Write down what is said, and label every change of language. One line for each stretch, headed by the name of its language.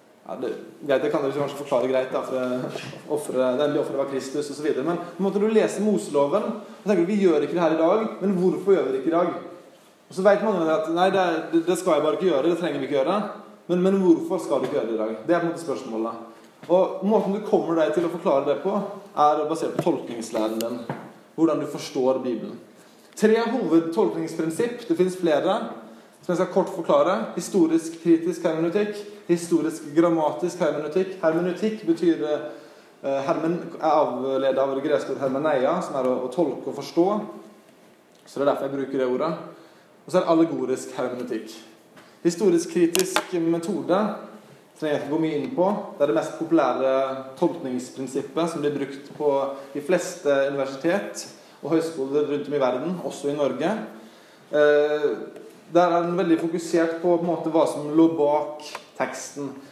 Norwegian: Ja, det kan du kanskje forklare greit da, for den vi offeret var Kristus og så videre, men på en måte du leser Moseloven og tenker, vi gjør ikke det her i dag, men hvorfor gjør vi det ikke i dag? Og så vet mange at, nei, det skal jeg bare ikke gjøre, det trenger vi ikke gjøre, men hvorfor skal du ikke gjøre det i dag? Det er på en måte spørsmålet.
Swedish: Och måten du kommer dig till att förklara det på är baserat på tolkningsläran din, hur du förstår Bibeln. Tre huvudtolkningsprincip, det finns flera som jag ska kort förklara: historisk kritisk hermeneutik, historisk grammatisk hermeneutik. Hermeneutik betyder hermen är avledd av det grekiska hermeneia, som är att tolka och förstå. Så det är därför jag brukar det ordet. Och så är allegorisk hermeneutik.
Norwegian: Historisk kritisk metode trenger jeg ikke gå mye inn på. Det er det mest populære tolkningsprinsippet som blir brukt på de fleste universitet og høyskoler rundt om i verden, også i Norge. Der er den veldig fokusert på, på måte, hva som lå bak teksten.